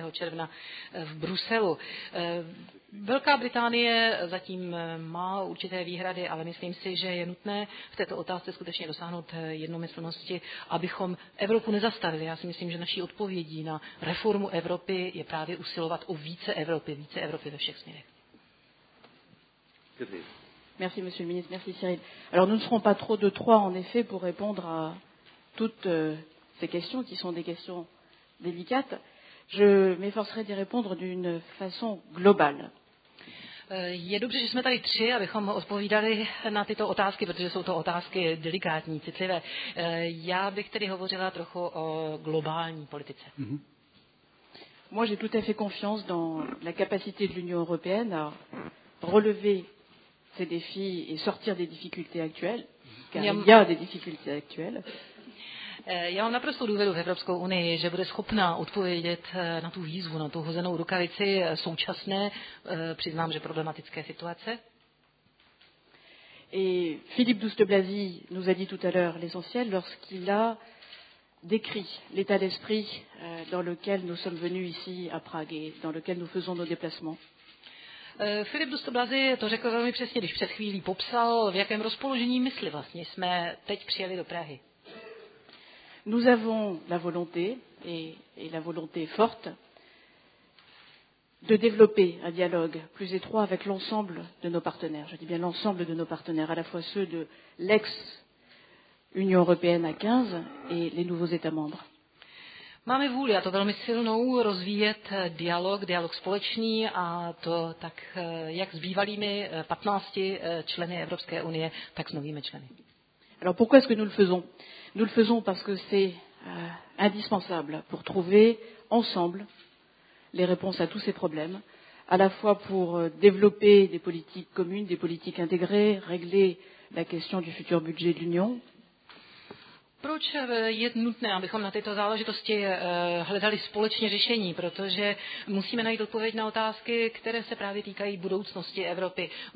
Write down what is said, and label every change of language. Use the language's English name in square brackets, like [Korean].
[Czech] června v Bruselu. Velká Británie zatím má určité výhrady, ale myslím si, že je nutné v této otázce skutečně dosáhnout jednomyslnosti, abychom Evropu nezastavili. Já si myslím, že naší odpovědí na reformu Evropy je právě usilovat o více Evropy ve všech směrech. [French] Merci, monsieur le ministre, merci, Cyril. Alors, nous ne serons pas trop de trois, en effet, pour répondre à toutes ces questions, qui sont des questions délicates. Je m'efforcerai d'y répondre d'une façon globale. [Czech] Je dobře, že jsme tady tři, abychom odpovídali na tyto otázky, protože jsou to otázky delikátní, citlivé. Já bych tedy hovořila trochu o globální politice. [French] Moi, j'ai tout à fait confiance dans la capacité de l'Union européenne à relever ces défis et sortir des difficultés actuelles, car il y a des difficultés actuelles. [Czech] Já mám naprosto důvěru v Evropskou unii, že bude schopná odpovědět na tu výzvu, na tu hozenou rukavici současné, přiznám, že problematické situace. [French] Et Philippe Douste-Blazy nous a dit tout à l'heure l'essentiel lorsqu'il a décrit l'état d'esprit dans lequel nous sommes venus ici à Prague et dans lequel nous faisons nos déplacements. [Czech] Philippe Douste-Blazy to řekl velmi přesně, když před chvílí popsal, v jakém rozpoložení mysli vlastně jsme teď přijeli do Prahy. [French] Nous avons la volonté, et la volonté forte, de développer un dialogue plus étroit avec l'ensemble de nos partenaires. Je dis bien l'ensemble de nos partenaires, à la fois ceux de l'ex-Union européenne à 15 et les nouveaux États membres. [Czech] Máme vůli, a to velmi silnou, rozvíjet dialog společný a to tak jak s bývalými 15 členy Evropské unie, tak s novými členy. [French] Alors pourquoi est-ce que nous le faisons? Nous le faisons parce que c'est indispensable pour trouver ensemble les réponses à tous ces problèmes, à la fois pour développer des politiques communes, des politiques intégrées, régler la question du futur budget de l'Union. [Czech] Proč je nutné, abychom na tyto záležitosti hledali společně řešení? Protože musíme najít odpověď na otázky, které se právě týkají budoucnosti Evropy.